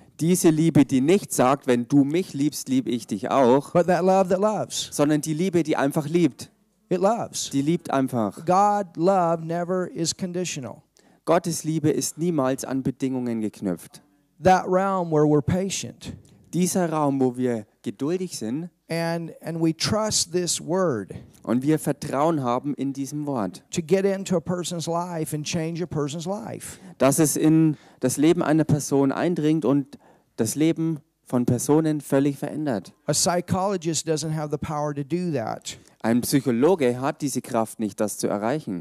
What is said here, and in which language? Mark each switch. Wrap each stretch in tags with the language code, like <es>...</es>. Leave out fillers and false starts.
<de>Diese Liebe, die nicht sagt, wenn du mich liebst, liebe ich dich auch.</de> <en>But that love that loves.</en> <de>Sondern die Liebe, die einfach liebt.</de> <en>It loves.</en> <de>Die liebt einfach.</de> <en>God love never is conditional.</en> <de>Gottes Liebe ist niemals an Bedingungen geknüpft.</de> <en>That realm where we're patient.</en> <de>Dieser Raum, wo wir geduldig sind.</de> <en>And we trust this word.</en> <de>Und wir Vertrauen haben in diesem Wort.</de> <en>To get into a person's life and change a person's life.</en> <de>Dass es in das Leben einer Person eindringt und das Leben von Personen völlig verändert.</de> <en>A psychologist doesn't have the power to do that.</en> <de>Ein Psychologe hat diese Kraft nicht, das zu erreichen.</de>